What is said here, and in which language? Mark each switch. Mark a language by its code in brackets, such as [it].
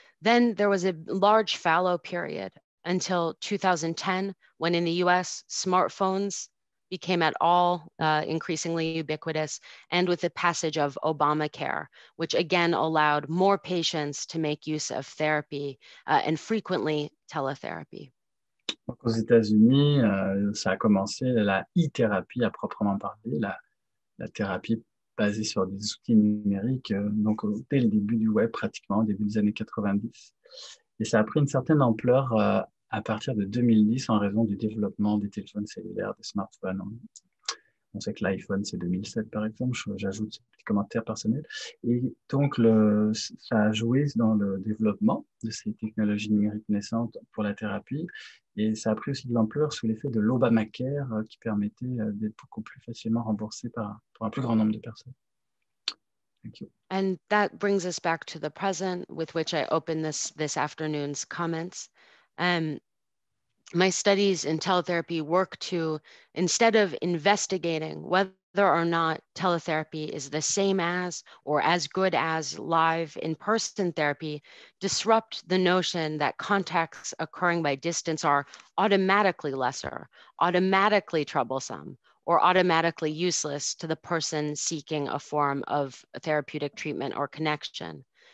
[en] Then there was a large fallow period until 2010, when in the US, smartphones became at all increasingly ubiquitous, and with the passage of Obamacare, which again allowed more patients to make use of therapy and frequently teletherapy. [fr] Donc aux États-Unis, ça a commencé la e-thérapie à proprement parler, la thérapie basée sur des outils numériques, donc dès le début du web, pratiquement, au début des années 90. Et ça a pris une certaine ampleur à partir de 2010 en raison du développement des téléphones cellulaires, des smartphones. On sait que l'iPhone, c'est 2007, par exemple, j'ajoute ce petit commentaire personnel. Et donc, ça a joué dans le développement de ces technologies numériques naissantes pour la thérapie. Et ça a pris aussi de l'ampleur sous l'effet de l'Obamacare qui permettait d'être beaucoup plus facilement remboursé pour un plus grand nombre de personnes. [en] Thank you. And that brings us back to the present with which I open this afternoon's comments. My studies in teletherapy work to, instead of investigating whether or not teletherapy is the same as or as good as live in-person therapy, disrupt the notion that contacts occurring by distance are automatically lesser, automatically troublesome, or automatically useless to the person seeking a form of therapeutic treatment or connection.